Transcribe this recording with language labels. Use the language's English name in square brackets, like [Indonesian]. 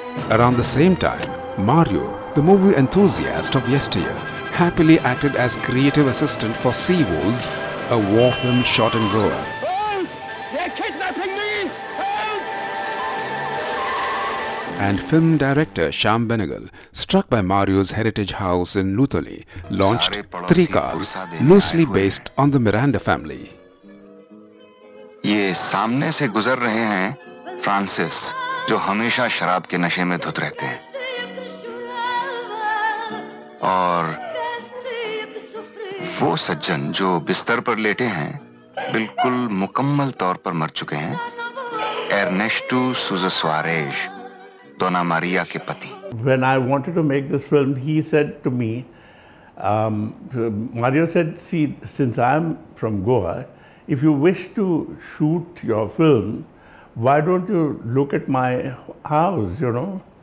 [English] Around the same time, Mario, the movie enthusiast of yesteryear, happily acted as creative assistant for Sea Wolves, a war film shot in Goa. And film director Shyam Benegal, struck by Mario's heritage house in Luthuli, launched Trikal, loosely based on the Miranda family. [Hindi] ये सामने से गुजर रहे हैं Francis, जो हमेशा शराब के नशे में धुत रहते हैं. और वो सज्जन जो बिस्तर पर लेटे हैं, बिल्कुल मुकम्मल तौर पर मर चुके हैं. Ernesto सुज़ा Suarez. [English] When I wanted to make this film, he said to me, Mario said, see, since I'm from Goa, if you wish to shoot your film, why don't you look at my house, you know?